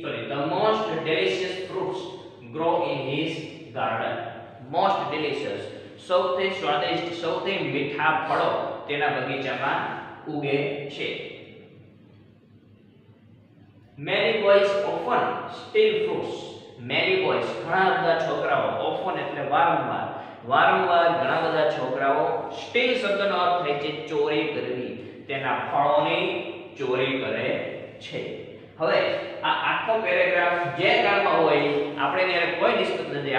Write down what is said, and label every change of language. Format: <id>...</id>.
<en>The most delicious fruits grow in his garden. Most delicious.</en> <gu>સૌથી સ્વાદિષ્ટ, સૌથી મીઠા ફળો તેના બગીચામાં ઉગે છે.</gu> <en>Many boys often steal fruits. Many boys,</en> <gu>ઘણા બધા છોકરાઓ, often એટલે વારંવાર, વારંવાર ઘણા બધા છોકરાઓ, steal શબ્દનો અર્થ થાય છે ચોરી કરવી, તેના ફળોની ચોરી કરે છે. હવે આ આખો પેરેગ્રાફ જે કાળમાં હોય આપણે ત્યારે કોઈ ડિસ્કસ નથી.</gu>